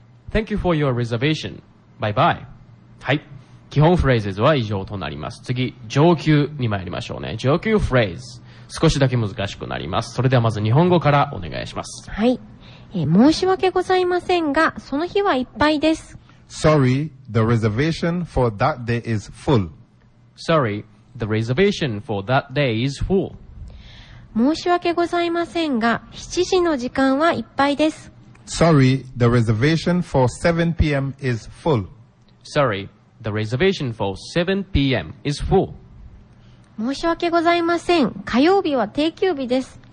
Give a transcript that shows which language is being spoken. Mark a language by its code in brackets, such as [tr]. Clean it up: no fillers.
[en] Thank you for your reservation. Bye bye. [ja] はい、基本フレーズは以上となります。次、上級に参りましょうね。上級フレーズ、少しだけ難しくなります。それではまず日本語からお願いします。はい、申し訳ございませんが、その日はいっぱいです。 [en] Sorry, the reservation for that day is full. Sorry, the reservation for that day is full. [ja] 申し訳ございませんが、7時の時間はいっぱいです。 [en] Sorry, the reservation for 7 p.m. is full. Sorry, the reservation for 7 p.m. is full. [ja] 申し訳ございません。火曜日は定休日です。